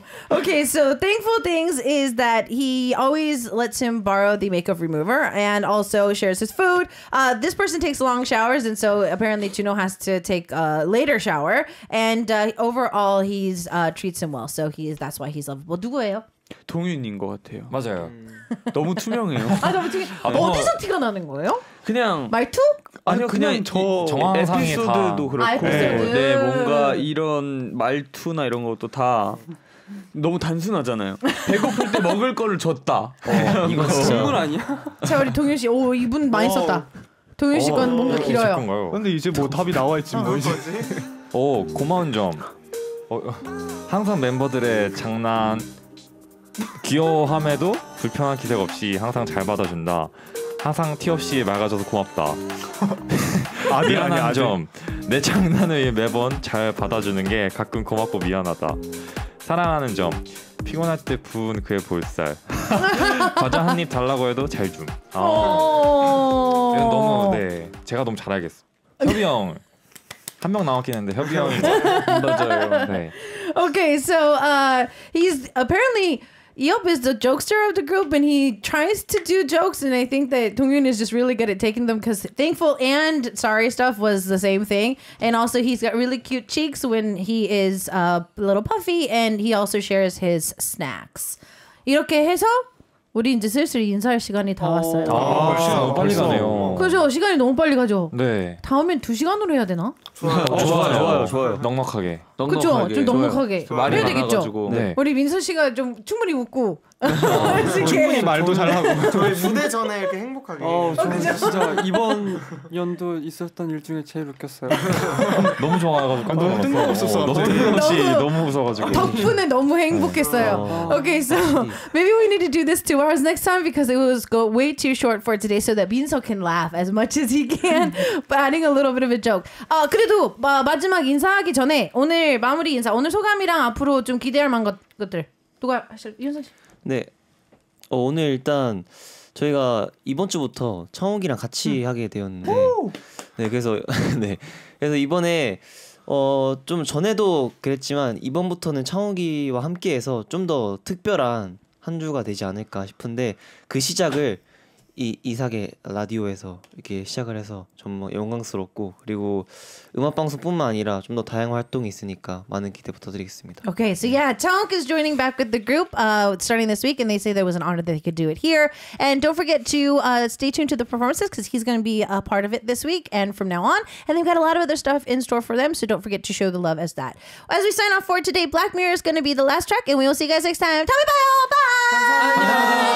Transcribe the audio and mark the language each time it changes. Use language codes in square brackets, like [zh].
[en] Okay, so thankful things is that he always lets him borrow the makeup remover and also shares his food. This person takes long showers, and so apparently Juno has to take a later shower. And overall, he's treats him well, so that's why he's lovable. [ko] 누구예요? 동윤인 것 같아요. 맞아요. 너무 투명해요. 아, 너무 되게 어디서 티가 나는 거예요? 그냥 말투? 아니요, 그냥 저 에피소드도 다. 그렇고 아, 에피소드. 네, 뭔가 이런 말투나 이런 것도 다 너무 단순하잖아요. 배고플 때 먹을 거를 줬다. 이거 식물 아니야? 자, 우리 동윤 씨, 오, 이분 많이 썼다. 동윤 씨 건 뭔가 길어요. 어색한가요? 근데 이제 뭐 답이 나와 있지 뭐 이제. 오, 고마운 점. 항상 멤버들의 장난 귀여움에도 불편한 기색 없이 항상 잘 받아준다. 항상 티 없이 맑아져서 고맙다. 미안한 점. 내 장난을 매번 잘 받아주는 게 가끔 고맙고 미안하다. 사랑하는 점. 피곤할 때 부은 그의 볼살. 과자 한 입 달라고 해도 잘 줌. 아. 너무 네. 제가 너무 잘 알겠어. 협이 형. 한 명 남았긴 했는데 협이 형이 맞아요. 네. [en] Okay, so he's apparently Yup is the jokester of the group, and he tries to do jokes, and I think that Dongyun is just really good at taking them because thankful and sorry stuff was the same thing. And also, he's got really cute cheeks when he is a little puffy, and he also shares his snacks. [ko] 이렇게 해서 우리 이제 슬슬 인사할 시간이 다 왔어요. 아, 시간 너무 빨리 가네요. 그렇죠, 시간이 너무 빨리 가죠. 네. 다음엔 두 시간으로 해야 되나? 좋아요. 넉넉하게. 그렇죠, 좀 넉넉하게. 말이 되겠죠. 네. 우리 민서 씨가 좀 충분히 웃고 충분히 말도 잘하고. 저희 무대 전에 이렇게 행복하게. 저는 진짜 이번 연도 있었던 일 중에 제일 웃겼어요. 너무 좋아가지고. 너무 뜬금없었어. 너무 웃어가지고. 덕분에 너무 행복했어요. [en] Okay, so maybe we need to do this 2 hours next time because it was go way too short for today, so that Minso can laugh as much as he can, but adding a little bit of a joke. [ko] 그래도 마지막 인사하기 전에 오늘 마무리 인사, 오늘 소감이랑 앞으로 좀 기대할 만한 것들 누가 하실 윤석 씨? 네, 오늘 일단 저희가 이번 주부터 창욱이랑 같이 하게 되었는데 네 그래서 네 그래서 이번에 좀 전에도 그랬지만 이번부터는 창욱이와 함께해서 좀 더 특별한 한 주가 되지 않을까 싶은데 그 시작을 이 이삭의 라디오에서 이렇게 시작을 해서 정말 영광스럽고 그리고 음악 방송뿐만 아니라 좀 더 다양한 활동이 있으니까 많은 기대 부탁드리겠습니다. [en] Okay, so yeah, Chunk is joining back with the group starting this week, and they say that it was an honor that they could do it here. And don't forget to stay tuned to the performances because he's going to be a part of it this week and from now on. And they've got a lot of other stuff in store for them, so don't forget to show the love as that. As we sign off for today, Black Mirror is going to be the last track, and we will see you guys next time. [ko] 다음에 봐요. [en] Bye.